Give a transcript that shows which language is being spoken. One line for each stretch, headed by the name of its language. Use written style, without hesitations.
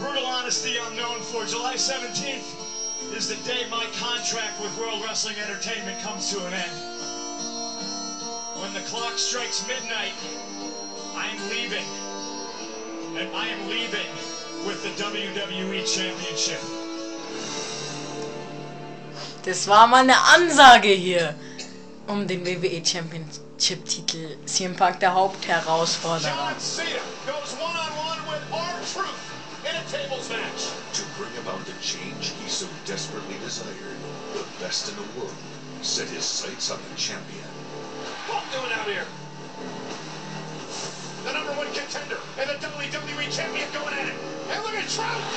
English: Brutal honesty I'm known for. July 17th is the day my contract with World Wrestling Entertainment comes to an end. When the clock strikes midnight, I'm leaving. And I am leaving with the WWE Championship.
German: Das war mal eine Ansage hier, um den WWE Championship-Titel CM Punk, der Hauptherausforderer.
English: John Cena goes one-on-one with R-Truth in a tables match. To bring about the change he so desperately desired, the best in the world set his sights on the champion. What doing out here? The number one contender and the WWE Champion going at it. And look at Trump!